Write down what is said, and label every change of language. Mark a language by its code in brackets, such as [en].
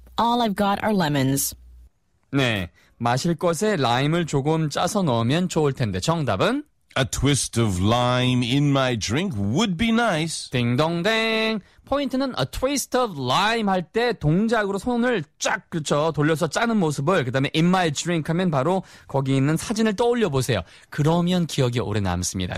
[en] All I've got are lemons. [ko] 네, 마실 것에 라임을 조금 짜서 넣으면 좋을 텐데 정답은? [en] A twist of lime in my drink would be nice. [ko] 딩동댕. 포인트는 [en] a twist of lime [ko] 할 때 동작으로 손을 쫙 그쵸 돌려서 짜는 모습을 그 다음에 [en] in my drink [ko] 하면 바로 거기 있는 사진을 떠올려 보세요. 그러면 기억이 오래 남습니다.